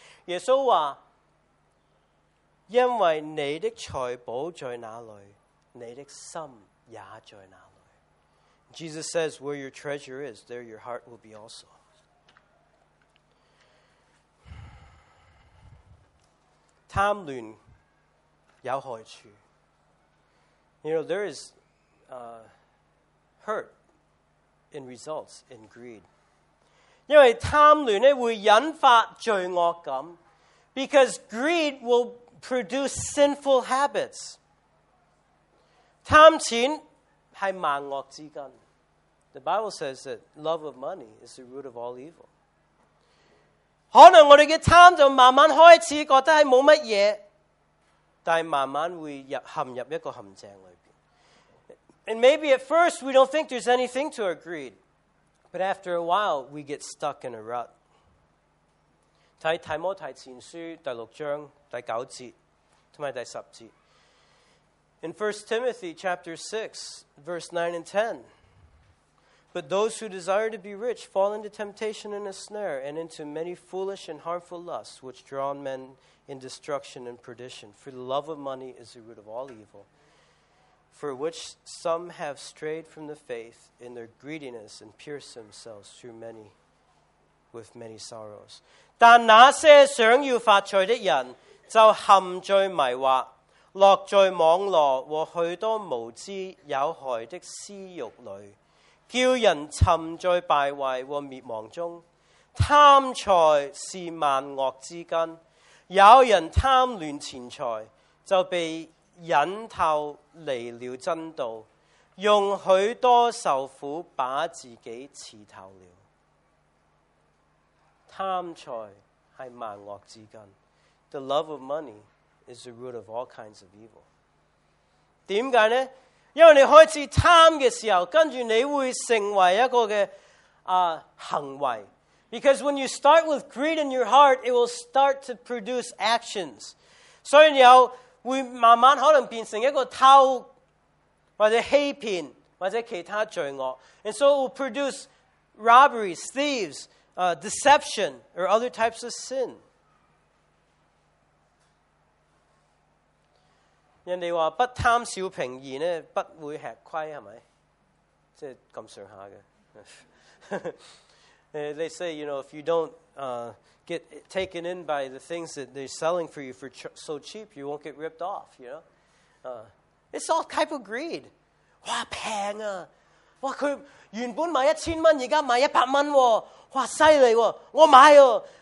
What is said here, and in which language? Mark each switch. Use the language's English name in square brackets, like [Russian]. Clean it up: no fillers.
[Cantonese] 耶稣话：因为你的财宝在哪里？你的心也在哪里。 [English] Jesus says, where your treasure is, there your heart will be also. [Cantonese] 贪恋有害处。 [English] You know, there is hurt in results in greed. [Cantonese] 因为贪恋会引发罪恶感。 [English] Because greed will produce sinful habits. [Cantonese] 贪钱是万恶之根。 [English] The Bible says that love of money is the root of all evil. [Cantonese] 可能我们的贪就慢慢开始觉得是没什么，但慢慢会陷入一个陷阱里面。 [English] And maybe at first we don't think there's anything to our greed, but after a while we get stuck in a rut. [Cantonese] 在提摩太前书第六章第九节和第十节。 [English] In 1 Timothy chapter 6, verse 9 and 10. But those who desire to be rich fall into temptation and a snare, and into many foolish and harmful lusts, which draw men in destruction and perdition. For the love of money is the root of all evil. for which some have strayed from the faith in their greediness and pierced themselves through many with many sorrows. [Cantonese] 但那些想要发财的人就陷在迷惑，落在网罗和许多无知有害的私欲里，叫人沉在败坏和灭亡中。贪财是万恶之根，有人贪恋钱财，就被引透离了真道，用许多受苦把自己刺透了。贪财是万恶之根。 [English] The love of money is the root of all kinds of evil. [Cantonese] 点解呢？因为你开始贪嘅时候，跟住你会成为一个嘅行为。 [English] Because when you start with greed in your heart, it will start to produce actions. [Cantonese] 所以你会慢慢可能变成一个偷或者欺骗或者其他罪恶。 [English] And so it will produce robberies, thieves, deception, or other types of sin. [Cantonese] 人家说不贪小便宜呢不会吃亏，是不是？即是这么上下的。 [English] They say, you know, if you don't get taken in by the things that they're selling for you for so cheap, you won't get ripped off, you know? It's all type of greed. [Cantonese] 哇便宜啊！哇佢原本卖$1,000，现在卖$100，哇犀利哦！我买哦！